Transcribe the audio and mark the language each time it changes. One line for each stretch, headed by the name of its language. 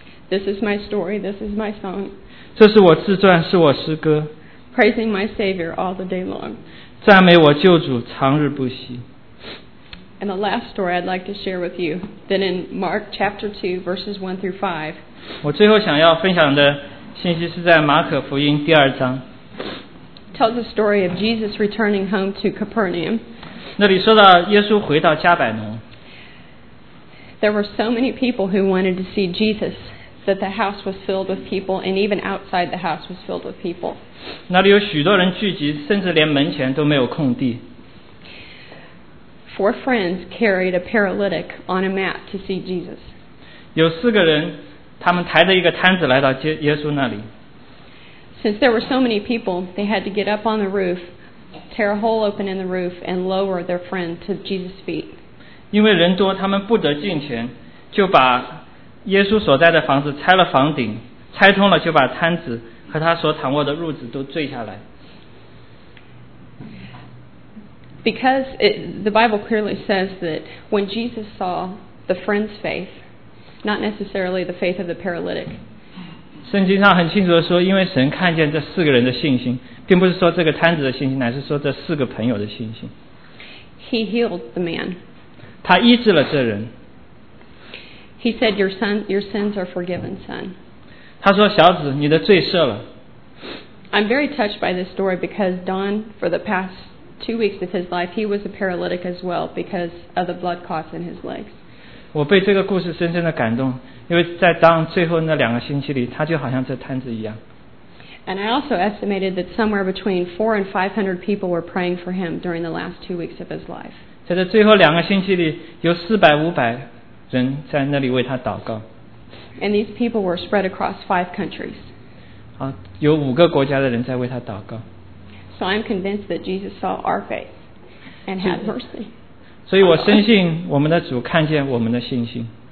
English: This is my story. This is my song.
Chinese: 这是我自传，是我诗歌。
English: Praising my Savior all the day long.
Chinese: 赞美我救主，长日不息。
English: And the last story I'd like to share with you, then in Mark chapter 2, verses 1 through 5.
Chinese: 我最后想要分享的信息是在马可福音第二章。
English: Tells the story of Jesus returning home to Capernaum.
Chinese: 那里说到耶稣回到加百农。
English: There were so many people who wanted to see Jesus that the house was filled with people and even outside the house was filled with people.
Chinese: 那里有许多人聚集，甚至连门前都没有空地。
English: Four friends carried a paralytic on a mat to see Jesus.
Chinese: 有四个人，他们抬着一个摊子来到耶稣那里。
English: Since there were so many people, they had to get up on the roof, tear a hole open in the roof and lower their friend to Jesus' feet.
Chinese: 因为人多，他们不得近前，就把耶稣所在的房子拆了房顶，拆通了就把摊子和他所躺卧的褥子都坠下来。
English: Because the Bible clearly says that when Jesus saw the friend's faith, not necessarily the faith of the paralytic.
Chinese: 圣经上很清楚地说，因为神看见这四个人的信心，并不是说这个摊子的信心，乃是说这四个朋友的信心。
English: He healed the man.
Chinese: 他医治了这人。
English: He said, your sins are forgiven, son.
Chinese: 他说，小子，你的罪赦了。
English: I'm very touched by this story because Don, for the past two weeks of his life, he was a paralytic as well because of the blood clots in his legs.
Chinese: 我被这个故事深深的感动，因为在当最后那两个星期里，他就好像这摊子一样。
English: And I also estimated that somewhere between 400 and 500 people were praying for him during the last two weeks of his life.
Chinese: 在这最后两个星期里，有400-500人在那里为他祷告。
English: And these people were spread across 5 countries.
Chinese: 啊，有五个国家的人在为他祷告。
English: So I'm convinced that Jesus saw our faith and had mercy.
Chinese: 所以我深信我们的主看见我们的信心。